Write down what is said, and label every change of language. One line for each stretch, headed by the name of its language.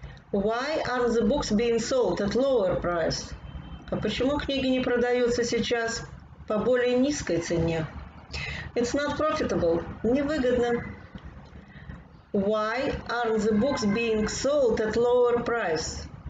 English: Why aren't the books being sold at lower price?
Russian: А почему книги не продаются сейчас по более низкой цене?
English: It's not profitable.
Russian: Невыгодно.
English: Why aren't the books being sold at lower price?